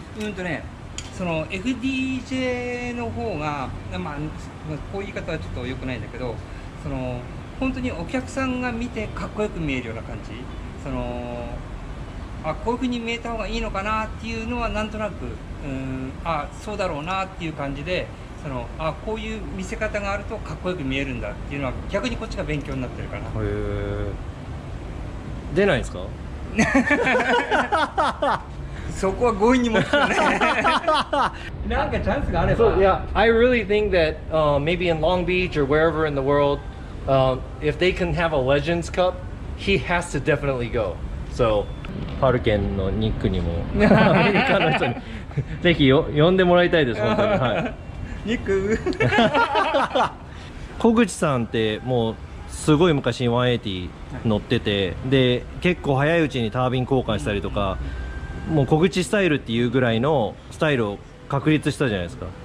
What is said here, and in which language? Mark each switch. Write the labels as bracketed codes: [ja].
[ja] ね、その FDJ の方が、まあ、こういう言い方はちょっと良くないんだけど、その本当にお客さんが見てかっこよく見えるような感じ、そのあこういう風に見えた方がいいのかなっていうのはなんとなく、あそうだろうなっていう感じで、そのあこういう見せ方があるとかっこよく見えるんだっていうのは逆にこっちが勉強になってるかな。へえ、出ないですか？そこは強引に持つよね。なんかチャンスがあれば。 [en] So, yeah, I really think that、maybe in Long Beach or wherever in the world、if they can have a Legends Cup, he has to definitely go. [ja] So, パルケンのニックにもアメリカの人にぜひ呼んでもらいたいです、本当に、はい、ニック小口さんってもうすごい昔に180乗ってて、で結構早いうちにタービン交換したりとか、もう小口スタイルっていうぐらいのスタイルを確立したじゃないですか。